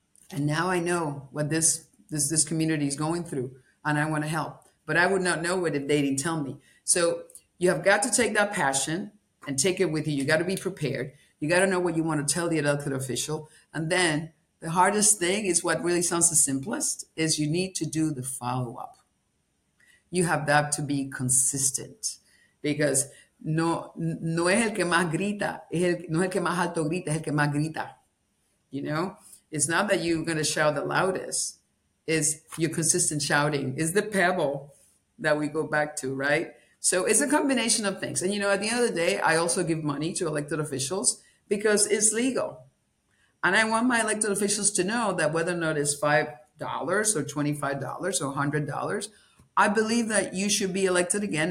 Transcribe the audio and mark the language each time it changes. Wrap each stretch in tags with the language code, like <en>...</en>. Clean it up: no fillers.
<en>And now I know what this community is going through, and I want to help. But I would not know it if they didn't tell me. So you have got to take that passion and take it with you. You got to be prepared. You got to know what you want to tell the elected official. And then the hardest thing is what really sounds the simplest is you need to do the follow-up. You have that to be consistent, because</en> <es>no es el que más grita, no es el que más alto grita, es el que más grita.</es> <en>You know, it's not that you're going to shout the loudest, it's your consistent shouting, it's the pebble that we go back to, right? So it's a combination of things. And, you know, at the end of the day, I also give money to elected officials because it's legal. And I want my elected officials to know that whether or not it's $5 or $25 or $100, I believe that you should be elected again.</en>